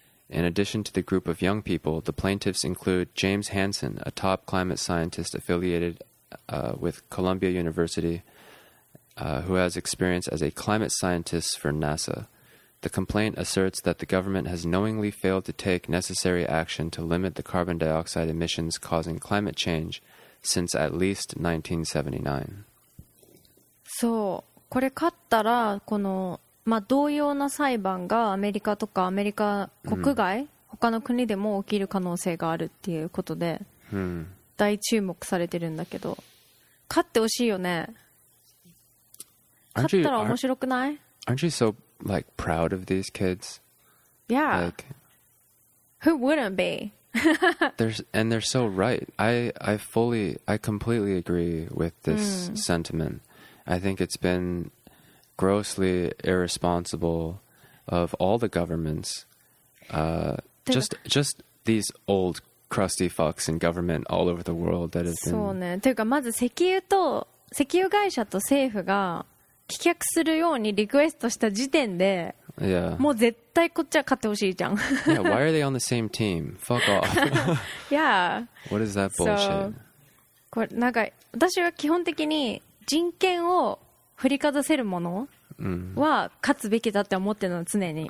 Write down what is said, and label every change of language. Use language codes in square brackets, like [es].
[en] In addition to the group of young people, the plaintiffs include James Hansen, a top climate scientist affiliated with Columbia University, who has experience as a climate scientist for NASA. The complaint asserts that the government has knowingly failed to take necessary action to limit the carbon dioxide emissions causing climate change since at least 1979. [ja] So, これ勝ったらこのまあ、同様な裁判がアメリカとかアメリカ国外、うん、他の国でも起きる可能性があるっていうことで、うん、大注目されてるんだけど勝ってほしいよね。勝ったら面白くない？ [en] Aren't you so like proud of these kids? Yeah. Like, who wouldn't be? and they're so right. I completely agree with this、うん、sentiment. I think it's beenGrossly irresponsible of all the governments. Just these old crusty fucks in government all over the world that have been. [ja] そうね。というかまず石油会社と政府が棄却するようにリクエストした時点で、 [en] yeah. [ja] もう絶対こっちは勝ってほしいじゃん。 [en] yeah. Why are they on the same team? Fuck off. yeah. What is that bullshit? So, [ja] これなんか私は基本的に人権を振りかざせるものは勝つべきだって思ってるの常に、